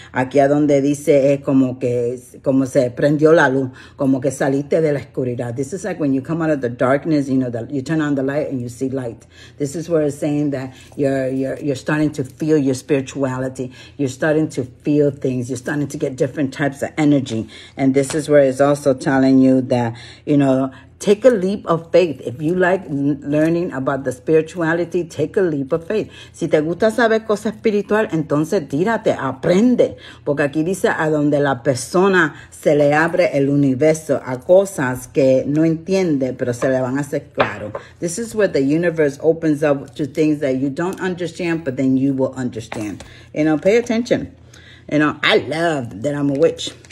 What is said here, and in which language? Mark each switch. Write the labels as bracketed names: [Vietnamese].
[Spanish] Aquí a donde dice es como que, como se prendió la luz, como que saliste de la oscuridad. [English] This is like when you come out of the darkness, you know, that you turn on the light and you see light. This is where it's saying that you're starting to feel your spirituality. You're starting to feel things. You're starting to get different types of energy. And this is where it's also telling you that, you know, take a leap of faith. If you like learning about the spirituality, take a leap of faith. [Spanish] Si te gusta saber cosas espirituales, entonces tírate, aprende. Porque aquí dice a donde la persona se le abre el universo a cosas que no entiende, pero se le van a hacer claro. [English] This is where the universe opens up to things that you don't understand, but then you will understand. You know, pay attention. You know, I love that I'm a witch.